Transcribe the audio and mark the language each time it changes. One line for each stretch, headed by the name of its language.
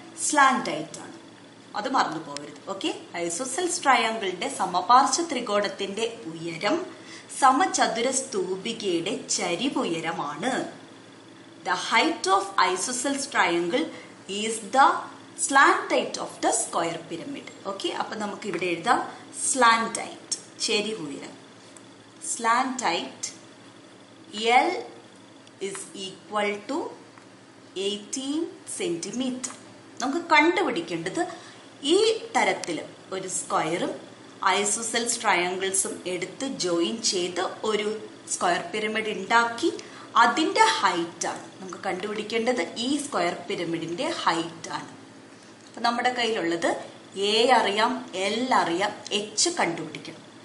Malayalam: സ്ലാന്റൈറ്റ് ആണ്, അത് മറന്നു പോകരുത്. ഓക്കെ, ഐസോസെൽസ് ട്രയാങ്കിളിന്റെ സമപാർശ്വ ത്രികോണത്തിന്റെ ഉയരം സമചതുര സ്തൂപികയുടെ ചരിവുയരമാണ്.
English: The height of isosceles triangle is the slant height of the square pyramid.
Malayalam: Okay, അപ്പോൾ നമുക്ക് ഇവിടെ എഴുതാം slant height, ചരിവുയരം.
English: Slant height L is equal to 18 centimetre.
Malayalam: നമുക്ക് കണ്ടുപിടിക്കേണ്ടത് ഈ തരത്തിൽ ഒരു സ്ക്വയറും ഐസോസെൽസ് ട്രയാങ്കിൾസും എടുത്ത് ജോയിൻ ചെയ്ത് ഒരു സ്ക്വയർ പിരമിഡ് ഉണ്ടാക്കി അതിൻ്റെ ഹൈറ്റാണ് നമുക്ക് കണ്ടുപിടിക്കേണ്ടത്. ഈ സ്ക്വയർ പിരമിഡിൻ്റെ ഹൈറ്റാണ്. അപ്പം നമ്മുടെ കയ്യിലുള്ളത് എ അറിയാം, എൽ അറിയാം, എച്ച് കണ്ടുപിടിക്കണം.